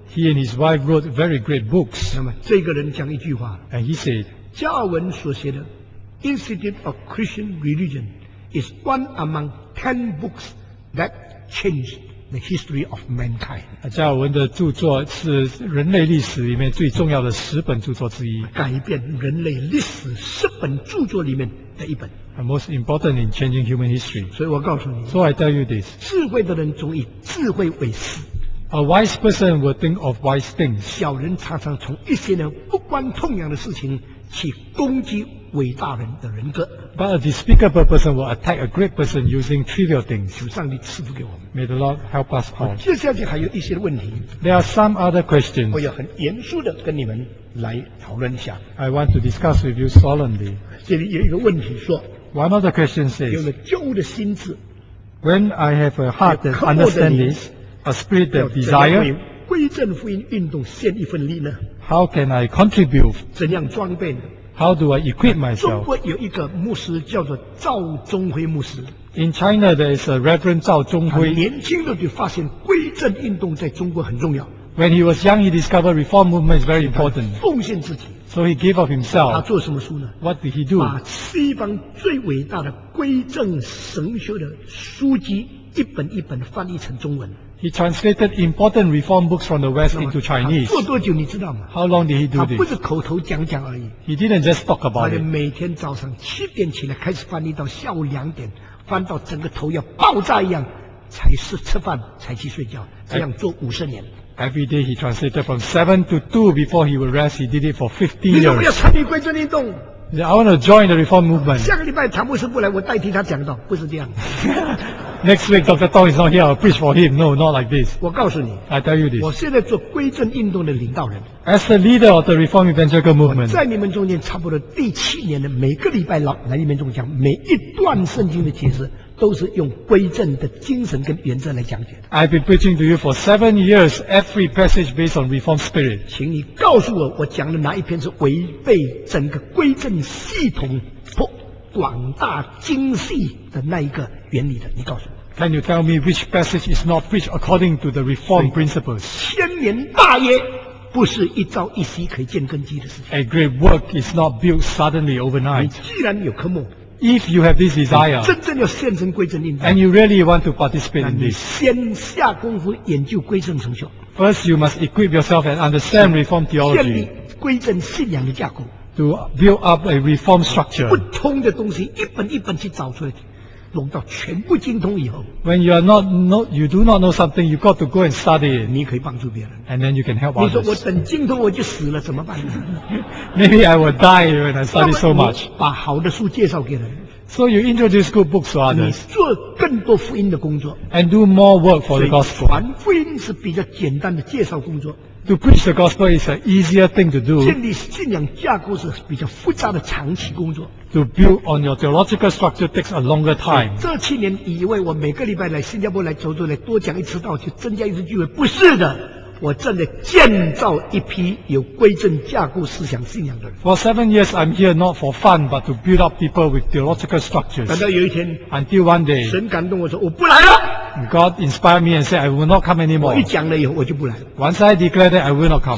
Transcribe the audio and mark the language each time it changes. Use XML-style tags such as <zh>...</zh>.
<en>He and his wife wrote very great books.</en> <zh>那么这个人讲一句话。</zh> <en>And he said,</en> <zh>加尔文所写的</zh> <en>Institute of Christian Religion is one among 10 books that changed the history of mankind.</en> <zh>加尔文的著作是人类历史里面最重要的十本著作之一。改变人类历史十本著作里面的一本。</zh> <en>And most important in changing human history.</en> <zh>所以我告诉你。</zh> <en>So I tell you this.</en> <zh>智慧的人总以智慧为师。</zh> <en>A wise person will think of wise things.</en> <zh>小人常常从一些呢不关痛痒的事情去攻击伟大人的人格。</zh> <en>But a despicable person will attack a great person using trivial things.</en> <zh>求上帝赐福给我们。</zh> <en>May the Lord help us all.</en> <zh>接下去还有一些问题。</zh> <en>There are some other questions.</en> <zh>我要很严肃的跟你们来讨论一下。</zh> <en>I want to discuss with you solemnly.</en> <zh>这里有一个问题说。</zh> <en>One of the questions says.</en> <zh>有了旧的心智。</zh> <en>When I have a heart that understands this. A spirit of desire.</en> <zh>怎样为归正福音运动献一份力呢</zh> <en>？How can I contribute?</en> <zh>怎样装备呢</zh> <en>？How do I equip myself?</en> <zh>中国有一个牧师叫做赵宗辉牧师。</zh> <en>In China, there is a Reverend 赵宗辉。</en> <zh>他年轻的就发现归正运动在中国很重要。</zh> <en>When he was young, he discovered reform movement is very important.</en> <zh>奉献自己。</zh> <en>So he gave up himself.</en> <zh>他做什么书呢</zh> <en>？What did he do?</en> <zh>把西方最伟大的归正神学的书籍一本一本翻译成中文。</zh> <en>He translated important reform books from the West into Chinese.</en> <zh>做多久你知道吗</zh> <en>？How long did he do this?</en> <zh>他不是口头讲讲而已。</zh> <en>He didn't just talk about it.</en> <zh>他每天早上七点起来开始翻译，到下午两点，翻到整个头要爆炸一样，才是吃饭才去睡觉。这样做五十年。</zh> <en>Every day he translated from 7 to 2 before he would rest. He did it for 50 years.</en> <zh>你怎么要参与归正运动？</zh> <en>I want to join the reform movement.</en> <zh>下个礼拜唐牧师不来，我代替他讲道，不是这样。</zh> <en>Next week, Dr. Tong is not here. I'll preach for him. No, not like this.</en> <zh>我告诉你</zh> <en>I tell you this.</en> <zh>我现在做归正运动的领导人</zh> <en>As the leader of the Reform Evangelical Movement.</en> <zh>在你们中间差不多第七年的每个礼拜来你们中间讲每一段圣经的解释都是用归正的精神跟原则来讲解的</zh> <en>I've been preaching to you for 7 years. Every passage based on Reform Spirit.</en> <zh>请你告诉我我讲的哪一篇是违背整个归正系统不广大精细的那一个原理的你告诉我</zh> <en>Can you tell me which passage is not preached according to the reform principles?</en> <zh>千年大业不是一朝一夕可以建根基的事情</zh> <en>A great work is not built suddenly overnight</en> <zh>你既然有科目</zh> <en>If you have this desire</en> <zh>真正要献身归正运动</zh> <en>And you really want to participate in this</en> <zh>你先下功夫研究归正神学</zh> <en>First you must equip yourself and understand reform theology</en> <zh>建立归正信仰的架构</zh> <en>To build up a reform structure.</en> <zh>不通的东西一本一本去找出来，弄到全部精通以后。</zh> <en>When you are not know, you do not know something, you got to go and study.</en> <zh>你可以帮助别人。</zh> <en>And then you can help others.</en> <zh>你说我等精通我就死了怎么办呢</zh> <en>？Maybe I will die when I study so much.</en> <zh>把好的书介绍给人。</zh> <en>So you introduce good books to others.</en> <zh>你做更多福音的工作。</zh> <en>And do more work for the gospel.</en> <zh>所以传福音是比较简单的介绍工作。</zh> <en>To preach the gospel is an easier thing to do.</en> <zh>建立信仰架构是比较复杂的长期工作。</zh> <en>To build on your theological structure takes a longer time.</en> <zh>这七年以为我每个礼拜来新加坡来走走来多讲一次道去增加一次聚会，不是的。我正在建造一批有归正架构思想信仰的人。</zh> <en>For 7 years, I'm here not for fun, but to build up people with theological structures.</en> <zh>等到有一天</zh> <en>，Until one day,</en> <zh>神感动我说我不来了。</zh> <en>God inspired me and said, I will not come anymore.</en> <zh>我一讲了以后我就不来了。</zh> <en>Once I declare that, I will not come.</en>